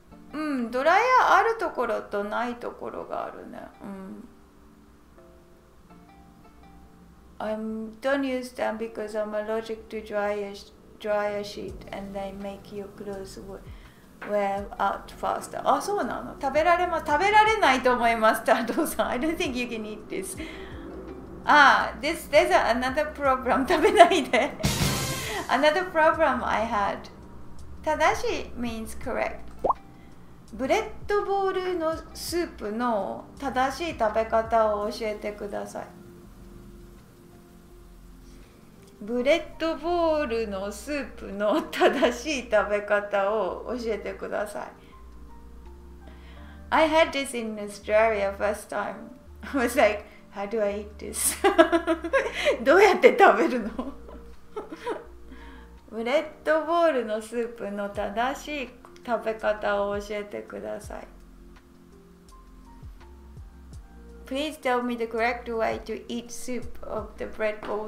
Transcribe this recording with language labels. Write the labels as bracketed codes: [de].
[ja] うん、ドライヤーあるところとないところがあるね。 [en] I don't use them because I'm allergic to dryer sheet and they make your clothes wear out faster. [ja] あ、そうなの。食べられないと思います、タドさん。 [en] I don't think you can eat this. Ah, there's another problem. [ja] 食べないで。 [en] Another problem I had. 正しい means correct. [ja] ブレッドボールのスープの正しい食べ方を教えてください。ブレッドボールのスープの正しい食べ方を教えてください。 [en] I had this in Australia first time. I was like, how do I eat this? [ja] どうやって食べるの? ブレッドボールのスープの正しい食べ方を教えてください。 [en] Please tell me the correct way to eat soup of the bread bowl.